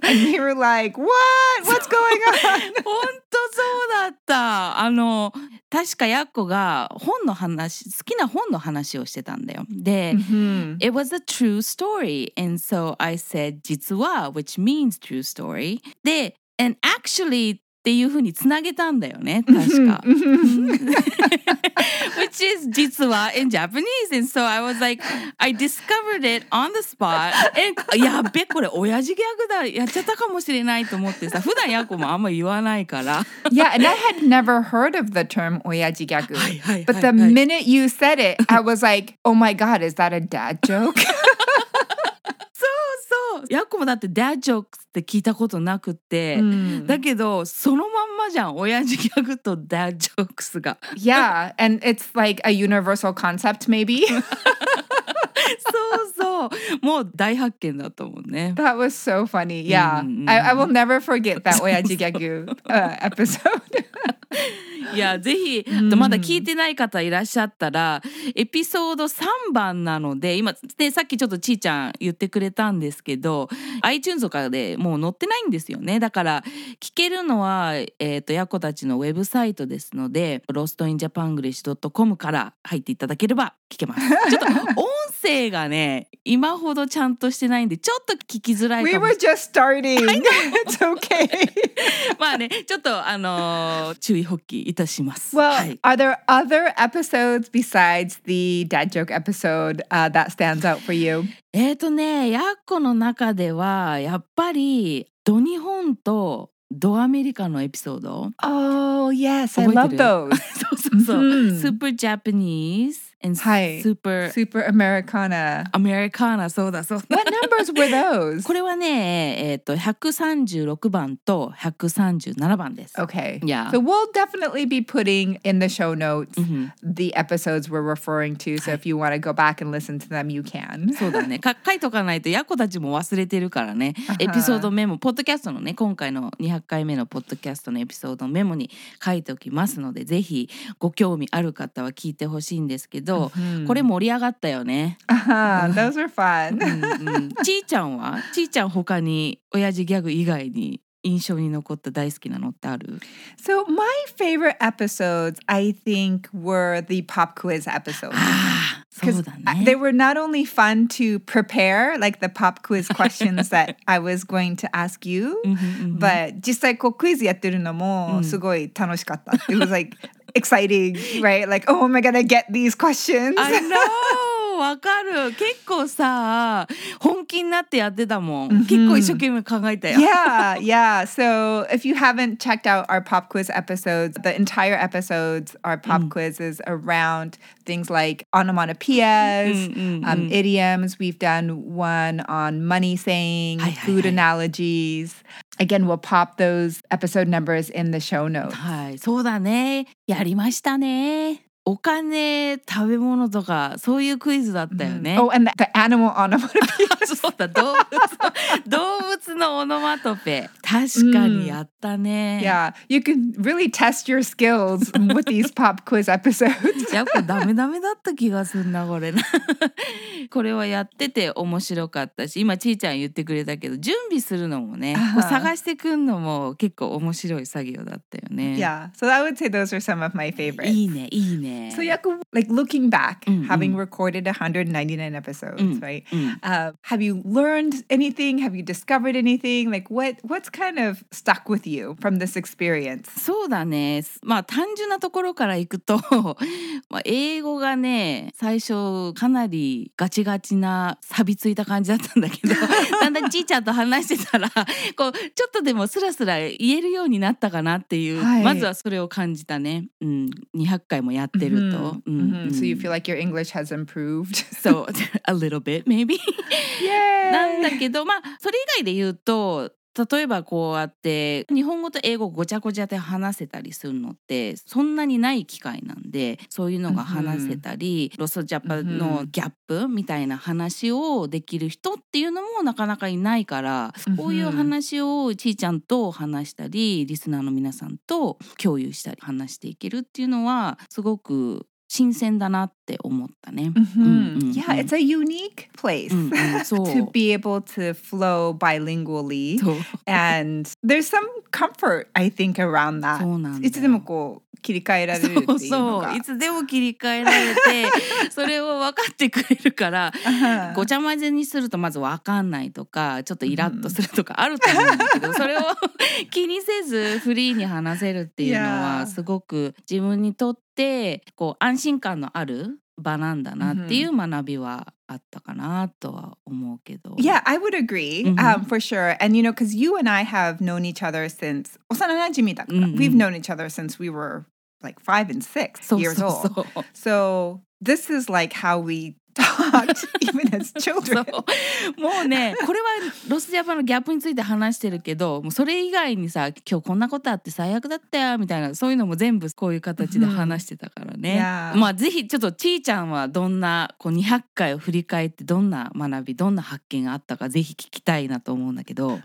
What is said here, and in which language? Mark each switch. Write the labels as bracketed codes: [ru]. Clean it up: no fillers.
[en] And we were like, what? What's going on? [ja] 本当そうだった。確かYakko が本の話、好きな本の話をしてたんだよ。 [en] で、it was a true story. And so I said, 実は、which means true story. で、and actually... [ja] っていう風につなげたんだよね、確か。 [en] Which is 実は in Japanese. And so I was like, I discovered it on the spot. [ja] And やべ、これ親父ギャグだ、やっちゃったかもしれないと思ってさ、普段ヤコもあんま言わないから。 [en] Yeah, and I had never heard of the term 親父ギャグ。 [ja] はいはいはい、 [en] But the minute you said it, I was like, oh my god, is that a dad joke? [ja] そうそう。ヤッコもだってダッジョークって聞いたことなくて、うん、だけどそのまんまじゃん、親父ギャグとダッジョークスが。 [en] Yeah, and it's like a universal concept maybe. [ja] そうそう、もう大発見だと思うね。 [en] That was so funny. Yeah,、うん、I will never forget that 親父ギャグ episode. [ja] いや、ぜひ、うん、まだ聞いてない方いらっしゃったら、エピソード3番なので、今、ね、さっきちょっとちーちゃん言ってくれたんですけど、iTunes とかでもう載ってないんですよね。だから、聞けるのは、ヤコたちのウェブサイトですので、lostinjapanglish.com から入っていただければ聞けます。ちょっと、音声がね、今ほどちゃんとしてないんで、ちょっと聞きづらいかもし [en] れない。We were just starting. It's okay. [ja] まあね、ちょっと、注意補給。 [en] Well, are there other episodes besides the dad joke episode that stands out for you? [ja] ヤッコの中ではやっぱりド日本とドアメリカのエピソード。 [en] Oh yes, I love those. そうそうそう、mm. Super Japanese and super super Americana. [ja] Americana, そうだそうだ。 [en] What numbers were those? [ja] これはね、136番と137番です。 [en] Okay. Yeah. So we'll definitely be putting in the show notes、mm-hmm. the episodes we're referring to. So if you want to go back and listen to them, you can. [ja] そうだね。書いとかないとヤコたちも忘れてるからね。 Uh-huh. エピソードメモ、ポッドキャストのね、今回の200回目のポッドキャストのエピソードメモに書いておきますので、ぜひご興味ある方は聞いてほしいんですけど、mm-hmm. これ盛り上がったよね。 [en] Uh-huh. Those were fun. うん、うん、 [ja] ちーちゃんは、ちーちゃん他に親父ギャグ以外に印象に残った大好きなのってある？ [en] So my favorite episodes, I think, were the pop quiz episodes. [ja] そうだね。 [en] They were not only fun to prepare, like the pop quiz questions that I was going to ask you, but [ja] 実際こうクイズやってるのもすごい楽しかった。 [en] It was like exciting, right? Like, oh, am I gonna get these questions? I know! [ja] わかる。結構さ、本気になってやってたもん。 Mm-hmm. 結構一生懸命考えたよ。 [en] Yeah, yeah. So if you haven't checked out our pop quiz episodes, the entire episodes, our pop quiz is around things like onomatopoeias, idioms. We've done one on money saying, food analogies. Again, we'll pop those episode numbers in the show notes. [ja] はい、そうだね。やりましたね。お金、食べ物とか、そういうクイズだったよね。 [en] Mm. Oh, and the animal onomatopoeia. [ja] そうだ、動物のオノマトペ。確かにやったね。 Mm. [en] Yeah, you can really test your skills with these pop quiz episodes. [ja] やっぱダメダメだった気がすんな、これ。これはやってて面白かったし、今ちーちゃん言ってくれたけど、準備するのもね、uh-huh. 探してくんのも結構面白い作業だったよね。 [en] Yeah, so I would say those are some of my favorites. [ja] いいね、いいね。 [en] So Yaku, like looking back, having recorded 199 episodes, right? Have you learned anything? Have you discovered anything? Like what's kind of stuck with you from this experience? [ja] そうだね。まあ単純なところからいくと、まあ英語がね、最初かなりガチガチな錆びついた感じだったんだけど、だんだんじいちゃんと話してたら、こうちょっとでもスラスラ言えるようになったかなっていう、まずはそれを感じたね。うん、200回もやってると、 [en] So you feel like your English has improved? So a little bit, maybe. [ja] なんだけど、まあそれ以外で言うと、例えばこうやって日本語と英語ごちゃごちゃで話せたりするのってそんなにない機会なんで、そういうのが話せたり、ロスジャパのギャップみたいな話をできる人っていうのもなかなかいないから、こういう話をちーちゃんと話したり、リスナーの皆さんと共有したり話していけるっていうのはすごく新鮮だなって思ったね。 [en] Yeah, it's a unique place to be able to flow bilingually. And there's some comfort, I think, around that. [ja] そうなんだ。いつでもこう切り替えられるっていうのが。そうそう。いつでも切り替えられて、それを分かってくれるから、ごちゃ混ぜにするとまず分かんないとか、ちょっとイラッとするとかあると思うんだけど、それを気にせずフリーに話せるっていうのはすごく自分にとってで、こう安心感のある場なんだなっていう学びはあったかなとは思うけど。 [en] Yeah, I would agree, for sure. And you know, because you and I have known each other since [ja] 幼馴染だから。 [en] We've known each other since we were like 5 and 6 years old. So this is like how we talk. talked even as children. [ja] もうね、これはロスジャパンのギャップについて話してるけど、もうそれ以外にさ、今日こんなことあって最悪だったよみたいな、そういうのも全部こういう形で話してたからね。 [en] Yeah. [ja] まあぜひちょっとちーちゃんはどんなこう200回を振り返って、どんな学び、どんな発見があったか、ぜひ聞きたいなと思うんだけど。